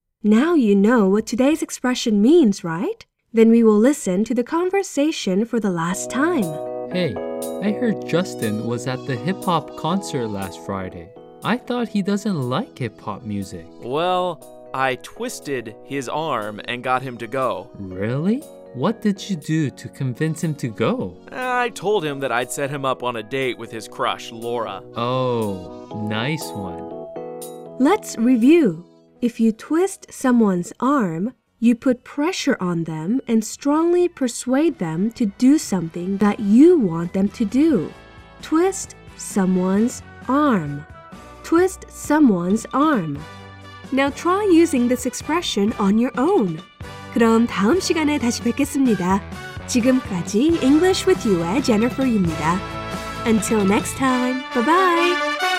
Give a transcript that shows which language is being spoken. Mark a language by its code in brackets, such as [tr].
[en] Now you know what today's expression means, right? Then we will listen to the conversation for the last time. Hey, I heard Justin was at the hip-hop concert last Friday. I thought he doesn't like hip-hop music. Well, I twisted his arm and got him to go. Really? What did you do to convince him to go? I told him that I'd set him up on a date with his crush, Laura. Oh, nice one. Let's review. If you twist someone's arm, you put pressure on them and strongly persuade them to do something that you want them to do. Twist someone's arm. Twist someone's arm. Now try using this expression on your own. [ko] 그럼 다음 시간에 다시 뵙겠습니다. 지금까지 English with You의 Jennifer입니다. [en] Until next time, bye-bye!